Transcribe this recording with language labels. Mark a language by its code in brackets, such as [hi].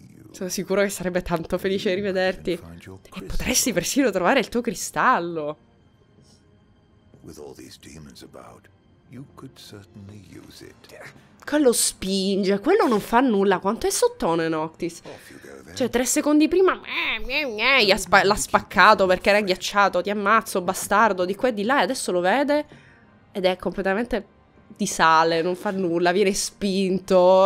[it] Sono sicuro che sarebbe tanto felice di rivederti. E potresti persino trovare il tuo cristallo. [en] With all these demons about, you could certainly use it. [it] Quello spinge, quello non fa nulla. Quanto è sottone Noctis? Cioè, 3 secondi prima l'ha spaccato perché era ghiacciato. Ti ammazzo, bastardo, di qua e di là. E adesso lo vede ed è completamente di sale, non fa nulla, viene spinto.